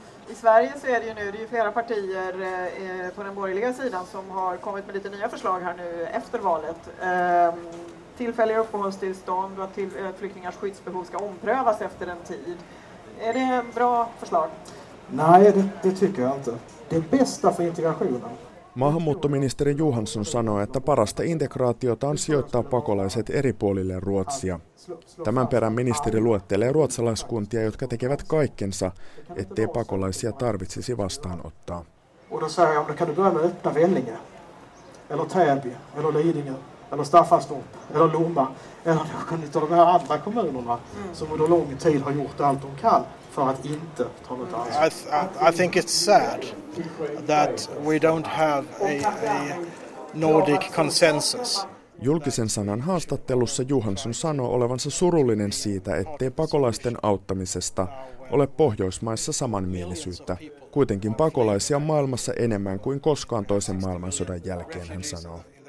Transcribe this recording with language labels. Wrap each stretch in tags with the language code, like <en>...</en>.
<sv>I Sverige så är det ju nu, det är flera partier på den borgerliga sidan som har kommit med lite nya förslag här nu efter valet. Tillfälliga uppehållstillstånd och att flyktingars skyddsbehov ska omprövas efter en tid. Är det en bra förslag? Nej, det tycker jag inte. Det bästa för integrationen.</sv> <fi>Maahanmuuttoministeri Johansson sanoi, että parasta integraatiota on sijoittaa pakolaiset eri puolille Ruotsia. Tämän perään ministeri luettelee ruotsalaiskuntia, jotka tekevät kaikkensa, ettei pakolaisia tarvitsisi vastaanottaa.</fi> <sv>Och då säger jag, kan du börja med öppna Vellinge? Eller Täby? Eller Lidingö? eller Staffanstorp, eller Lomma, eller någon av de här andra kommunerna som under lång tid har gjort allt de kan för att inte ta något ansvar.</sv> <en>I think it's sad that we don't have a Nordic consensus.</en> <fi>Julkisen sanan haastattelussa Johansson sanoo olevansa surullinen siitä, ettei pakolaisten auttamisesta ole Pohjoismaissa samanmielisyyttä. Kuitenkin pakolaisia on maailmassa enemmän kuin koskaan toisen maailmansodan jälkeen, hän sanoo.</fi>